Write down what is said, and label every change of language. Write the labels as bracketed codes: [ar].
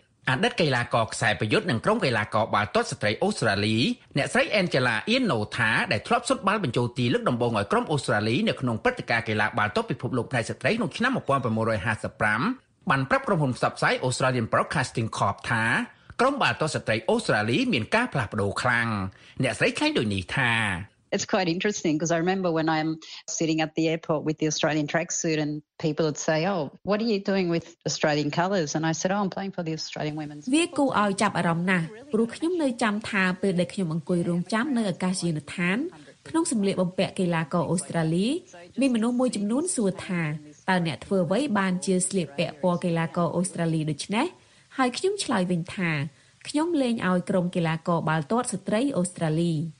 [km] អតីតកីឡាករខ្សែប្រយុទ្ធនិងក្រុមកីឡាករបាល់ទាត់ស្ត្រីអូស្ត្រាលីអ្នកស្រីអេនជេឡាអ៊ីណូថាដែលធ្លាប់សុទ្ធបាល់បញ្ចូលទីលើកដំបូងឲ្យក្រុមអូស្ត្រាលីនៅក្នុងព្រឹត្តិការណ៍កីឡាបាល់ទាត់ពិភពលោកផ្នែកស្ត្រីក្នុងឆ្នាំ1955បានប្រាប់ក្រុមហ៊ុនផ្សព្វផ្សាយ Australian Broadcasting Corp ថាក្រុមបាល់ទាត់ស្ត្រីអូស្ត្រាលីមានការផ្លាស់ប្ដូរខ្លាំងអ្នកស្រីខ្លែងដូចនេះថា [en] It's quite interesting because I remember when I'm sitting at the airport with the Australian tracksuit and people would say oh what are you doing with Australian colours and I said oh I'm playing for the Australian women's [km] វាគួរឲ្យចាប់អារម្មណ៍ណាស់ព្រោះខ្ញុំនៅចាំថាពេលដែលខ្ញុំអង្គុយរងចាំនៅអាកាសយានដ្ឋានក្នុងសម្លៀកបំពាក់កីឡាករអូស្ត្រាលីមានមនុស្សមួយចំនួនសួរថាតើអ្នកធ្វើអ្វីបានជាស្លៀកពាក់ពណ៌កីឡាករអូស្ត្រាលីដូច្នេះហើយខ្ញុំឆ្លើយវិញថាខ្ញុំលេងឲ្យក្រុមកីឡាករបាល់ទាត់ស្ត្រីអូស្ត្រាលី